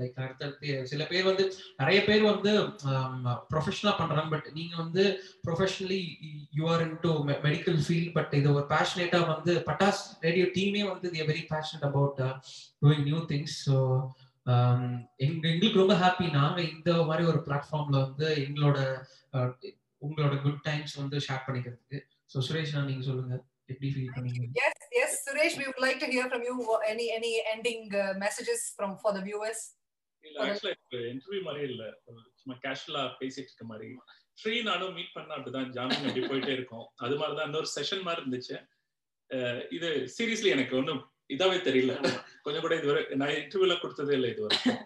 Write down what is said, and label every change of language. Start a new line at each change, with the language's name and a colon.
Tamil: Like அடுத்தடுத்து சில பேர் வந்து நிறைய பேர் வந்து ப்ரொஃபஷனலா பண்றாங்க, பட் நீங்க வந்து
English: professionally you're into medical field,
Tamil: but இது ஒரு பேஷனேட்டா வந்து பட்டாஸ் ரேடியோ டீமே வந்து
English: The very passionate about doing new things.
Tamil: So எங்களுக்கு ரொம்ப ஹாப்பி நாங்க இந்த மாதிரி ஒரு பிளாட்ஃபார்ம்ல வந்து உங்களோட குட் டைம்ஸ் வந்து ஷேர் பண்ணிக்கிறதுக்கு. ஸோ சுரேஷ்னா நீங்க சொல்லுங்க.
English: Yes, yes, Suresh, we would like to hear from you. Any ending messages from for the viewers?
Tamil: இல்ல actually interview மாதிரி இல்ல, சும்மா கேஷுவலா பேசிட்டு இருக்க மாதிரி. ஸ்ரீ நானும் மீட் பண்ண அப்படிதான் ஜாமீன் அப்படி போயிட்டே இருக்கோம். அது மாதிரி தான் இன்னொரு செஷன் மாதிரி இருந்துச்சு. இது சீரியஸ்லி எனக்கு ஒண்ணும் இதாவே தெரியல. கொஞ்சம் கூட இதுவரை நான் இன்டர்வியூல கொடுத்ததே இல்லை இதுவரை.